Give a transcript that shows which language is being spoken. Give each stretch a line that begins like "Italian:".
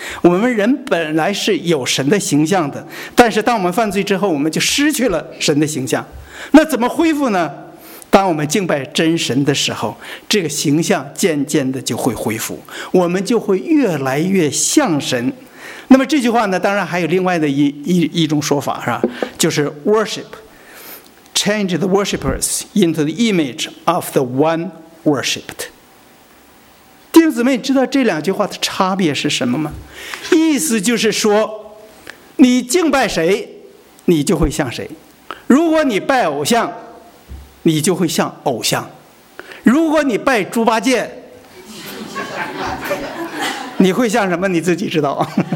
Chinese: 我们人本来是有神的形象的，但是当我们犯罪之后，我们就失去了神的形象。那怎么恢复呢？当我们敬拜真神的时候，这个形象渐渐的就会恢复，我们就会越来越像神。那么这句话呢，当然还有另外的一种说法，是吧？就是
English: worship change the worshippers into the image of the one worshipped。
Chinese: 弟兄姊妹，知道这两句话的差别是什么吗？意思就是说，你敬拜谁，你就会像谁；如果你拜偶像，你就会像偶像；如果你拜猪八戒，你会像什么？你自己知道。